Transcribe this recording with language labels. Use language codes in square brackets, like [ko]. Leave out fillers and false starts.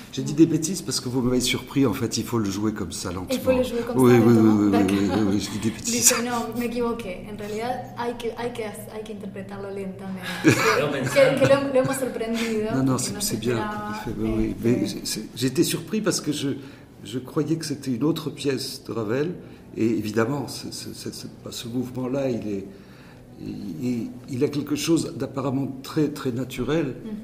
[fr] J'ai dit des bêtises parce que vous m'avez surpris. En fait, il faut le jouer comme ça, lentement. Il faut le jouer comme ça, lentement. Oui, j'ai dit des bêtises. [es] Non, me equivoqué. En realidad, hay que interpretarlo lentamente. que lo hemos sorprendido. [fr] Non, c'est bien. Mais j'étais surpris parce que je croyais que c'était une autre pièce de Ravel. Et évidemment, ce mouvement-là, il a quelque chose d'apparemment très, très naturel.